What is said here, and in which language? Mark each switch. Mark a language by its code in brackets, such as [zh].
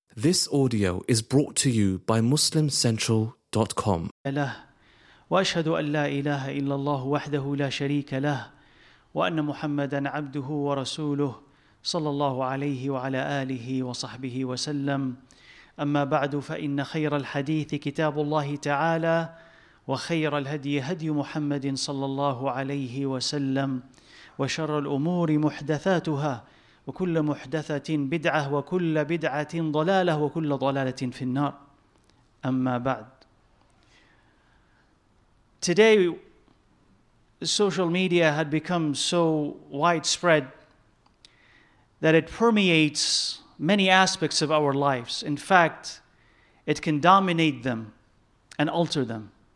[en] This audio is brought to you by MuslimCentral.com. [ar] الله وأشهد أن لا إله إلا الله وحده لا شريك له وأن محمدا عبده ورسوله صلى الله عليه وعلى آله وصحبه وسلم. أما بعد فإن خير الحديث كتاب الله تعالى وخير الهدي هدي محمد صلى الله عليه وسلم وشر الأمور محدثاتها وكل محدثة بدعة وكل بدعة ضلالة وكل ضلالة في النار. أما بعد. [en] Today, social media had become so widespread that it permeates many aspects of our lives. In fact, it can dominate them and alter them.